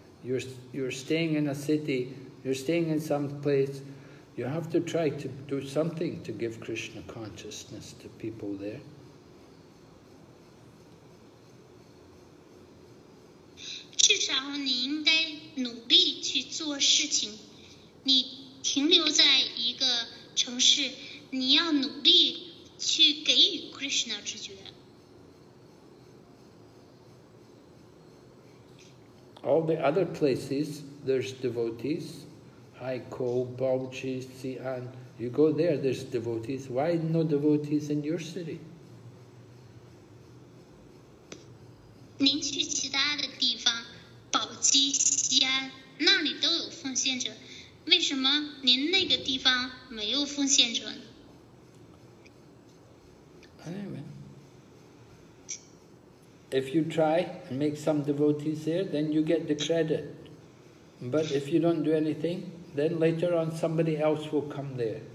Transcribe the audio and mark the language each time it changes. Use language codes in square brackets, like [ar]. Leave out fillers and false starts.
[en] You're staying in a city, you're staying in some place, you have to try to do something to give Krishna consciousness to people there. [zh] 至少你应该努力去做事情。你停留在一个城市，你要努力去给予 Krishna 知觉。 [en] All the other places, there's devotees, Haikou, Baoji, Xi'an, you go there, there's devotees. Why no devotees in your city? [zh] 您去其他的地方，宝鸡、西安，那里都有奉献者，为什么您那个地方没有奉献者呢？ [en] Anyway. If you try and make some devotees there, then you get the credit. But if you don't do anything, then later on somebody else will come there.